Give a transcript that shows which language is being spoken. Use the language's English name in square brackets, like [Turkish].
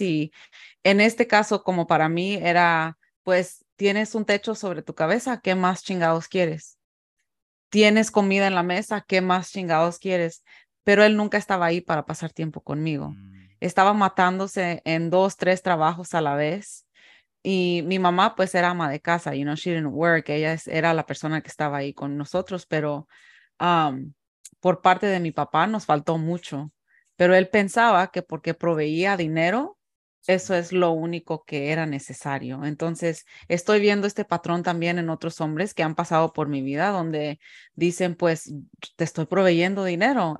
[Spanish] Y en este caso, como para mí, era, pues, tienes un techo sobre tu cabeza, ¿qué más chingados quieres? Tienes comida en la mesa, ¿qué más chingados quieres? Pero él nunca estaba ahí para pasar tiempo conmigo. Estaba matándose en 2, 3 trabajos a la vez. Y mi mamá pues era ama de casa, [English] you know, she didn't work. [Spanish] Ella era la persona que estaba ahí con nosotros, pero por parte de mi papá nos faltó mucho. Pero él pensaba que porque proveía dinero, eso es lo único que era necesario. Entonces, estoy viendo este patrón también en otros hombres que han pasado por mi vida, donde dicen, pues, te estoy proveyendo dinero.